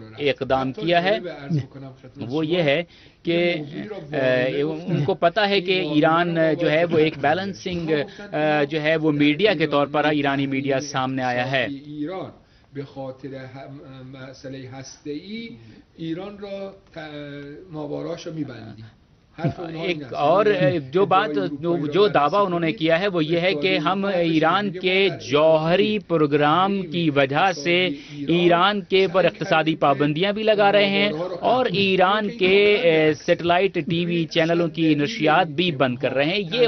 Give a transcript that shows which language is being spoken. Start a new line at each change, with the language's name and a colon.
Urdu: اقدام کیا ہے وہ یہ ہے کہ ان کو پتا ہے کہ ایران جو ہے وہ ایک بیلنسنگ جو ہے وہ میڈیا کے طور پر ایرانی میڈیا سامنے آیا ہے
Persian: به خاطر مسئله هسته‌ای ایران را مواراش را می‌بندیم.
Urdu: ایک اور جو بات جو دعویٰ انہوں نے کیا ہے وہ یہ ہے کہ ہم ایران کے جوہری پروگرام کی وجہ سے ایران کے پر اقتصادی پابندیاں بھی لگا رہے ہیں اور ایران کے سیٹلائٹ ٹی وی چینلوں کی نشریات بھی بند کر رہے ہیں.